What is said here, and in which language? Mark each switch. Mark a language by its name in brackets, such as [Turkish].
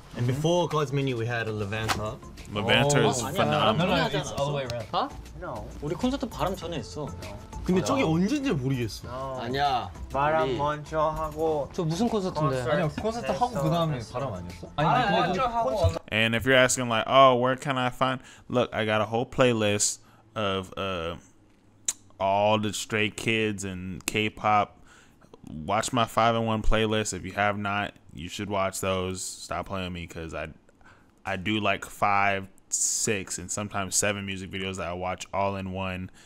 [English] And before God's Menu, we had a Levanta. Levanta is phenomenal. No, it's all the way around. Huh? No. [Korean] 우리 콘서트 바람 전에 했어. 근데 맞아. 저게 언제인지 모르겠어. [English] No. [Korean] 아니야. 바람 우리. 먼저 하고. 저 무슨 콘서트인데? 아니야, 콘서트 하고 그 다음에 바람 아니었어? 아니, 바람 먼저 콘서트. 하고. [English] And if you're asking like, oh, where can I find? Look, I got a whole playlist of all the Stray Kids and K-pop. Watch my 5-in-1 playlist. If you have not, you should watch those. Stop playing me because I do like 5, 6, and sometimes 7 music videos that I watch all in one.